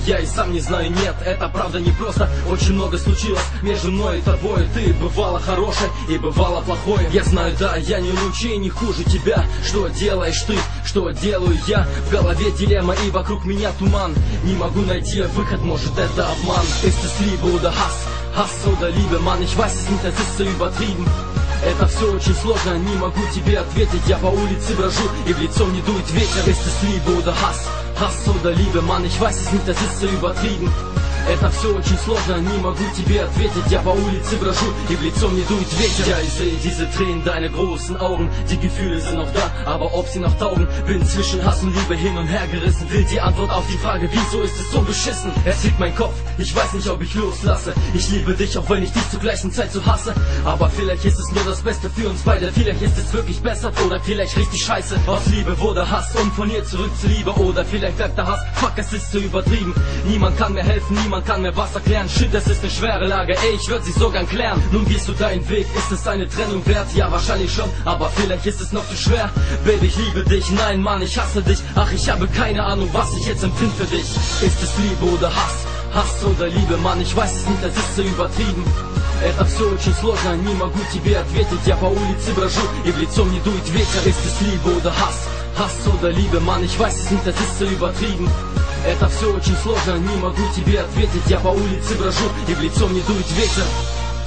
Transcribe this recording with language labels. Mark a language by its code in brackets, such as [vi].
[ru] Я и сам не знаю, нет, это правда не просто. Очень много случилось между мной и тобой. Ты бывала хорошей и бывала плохой. Я знаю, да, я не лучше и не хуже тебя. Что делаешь ты, что делаю я? В голове дилемма и вокруг меня туман. Не могу найти выход, может это обман. [de] Ist es Liebe oder Hass? Hass oder Liebe? Mann, ich weiß es nicht, es ist so übertrieben. [ru] Это все очень сложно, не могу тебе ответить. Я по улице брожу и в лицо мне дует ветер. [de] Ist es Liebe oder Hass? Hass oder Liebe? Mann, ich weiß es nicht, es ist so übertrieben. [ru] Это все очень сложно, не могу тебе ответить. Я по улице брожу и в лицо мне дует ветер. Я из-за [de] diese Tränen, deine großen Augen. Die Gefühle sind noch da, aber ob sie noch taugen. Bin zwischen Hass und Liebe hin und her gerissen. Will die Antwort auf die Frage, wieso ist es so beschissen? Es fickt mein Kopf, ich weiß nicht, ob ich loslasse. Ich liebe dich, auch wenn ich dich zur gleichen Zeit so hasse. Aber vielleicht ist es nur das Beste für uns beide. Vielleicht ist es wirklich besser oder vielleicht richtig scheiße. Aus Liebe wurde Hass und von ihr zurück zu Liebe. Oder vielleicht bleibt der Hass, fuck, es ist zu übertrieben. Niemand kann mir helfen, niemand kann mir was erklären. Shit, das ist eine schwere Lage. Ey, ich würde sie sogar klären. Nun gehst du deinen Weg. Ist es eine Trennung wert? Ja, wahrscheinlich schon. Aber vielleicht ist es noch zu schwer. Baby, ich liebe dich. Nein, Mann, ich hasse dich. Ach, ich habe keine Ahnung, was ich jetzt empfinde für dich. Ist es Liebe oder Hass? Hass oder Liebe? Mann, ich weiß es nicht, das ist so übertrieben. [ru] Это все очень сложно, не могу тебе ответить. Я по улице брожу и в лицо мне дует ветер. [de] Ist es Liebe oder Hass? Hass oder Liebe? Mann, ich weiß es nicht, das ist so übertrieben. [ru] Это все очень сложно, не могу тебе ответить. Я по улице брожу, и в лицо мне дует ветер.